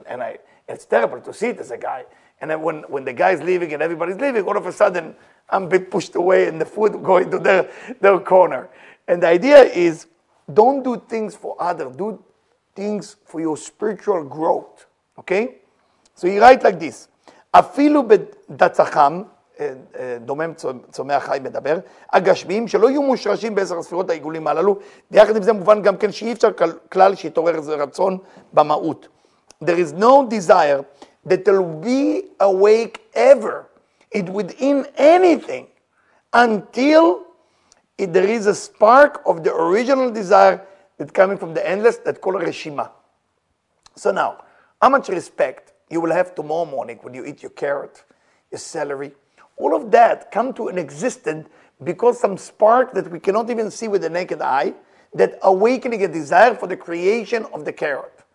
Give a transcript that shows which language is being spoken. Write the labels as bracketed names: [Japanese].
[English] And I, it's terrible to see it as a guy. And then when the guy's leaving and everybody's leaving, all of a sudden I'm being pushed away and the food going to their corner. And the idea is, don't do things for others. Do things for your spiritual growth. Okay? So he writes like this. [Hebrew] אפילו בדצחם, דומם צומח חי מדבר, הגשמיים שלא יהיו מושרשים בעשר הספירות העיגולים הללו, ויחד עם זה מובן גם כן שאי אפשר כלל שיתעורר איזה רצון במהות. [English] There is no desire that will be awake ever it within anything until it, there is a spark of the original desire that coming from the endless that called reshima. So now, how much respect you will have tomorrow morning when you eat your carrot, your celery, all of that come to an existence because some spark that we cannot even see with the naked eye that awakening a desire for the creation of the carrot.